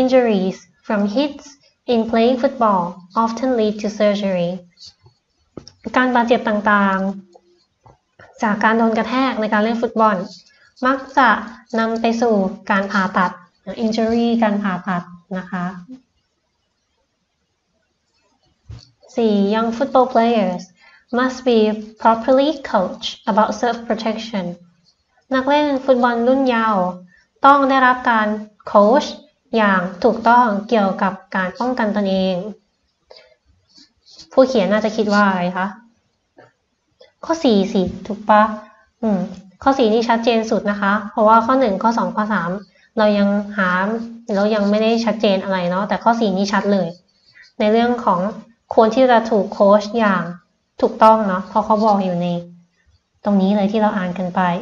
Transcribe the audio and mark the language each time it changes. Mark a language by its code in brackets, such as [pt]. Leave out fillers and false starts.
[en] Injuries from hits in playing football often lead to surgery [th] การบาดเจ็บต่างๆจากการโดนกระแทกในการเล่นฟุตบอลมักจะนำไปสู่การผ่าตัด injury การผ่าตัดนะคะ 4. [en] Young football playersMust be properly coached about self-protection. [th] นักเล่นฟุตบอลรุ่นเยาว์ต้องได้รับการโค้ชอย่างถูกต้องเกี่ยวกับการป้องกันตนเองผู้เขียนน่าจะคิดว่าอะไรคะข้อ4สิถูกปะข้อ4นี่ชัดเจนสุดนะคะเพราะว่าข้อ1ข้อ2ข้อ3เรายังไม่ได้ชัดเจนอะไรเนาะแต่ข้อ4นี่ชัดเลยในเรื่องของควรที่จะถูกโค้ชอย่างถูกต้องเนาะเพราะเขาบอกอยู่ในตรงนี้เลยที่เราอ่านกันไป